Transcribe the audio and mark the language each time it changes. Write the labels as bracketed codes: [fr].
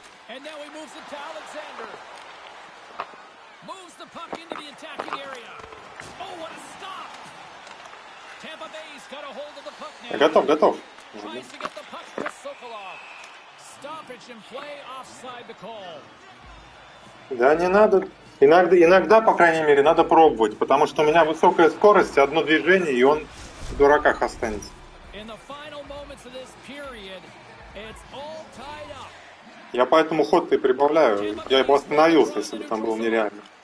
[en] And now he moves it to Alexander. Moves the puck into the attacking area. Oh, what a stop! Tampa Bay's got a hold of the puck now. [ru] Готов. [en] Tries to get the puck to Sokolov. Stoppage and play offside the call. [ru] Да не надо. Иногда, по крайней мере, надо пробовать, потому что у меня высокая скорость, одно движение, и он в дураках останется. [en] In the final moments of this period, it's all tied up. [ru] Я поэтому ход-то и прибавляю. Я бы остановился, если бы там было нереально.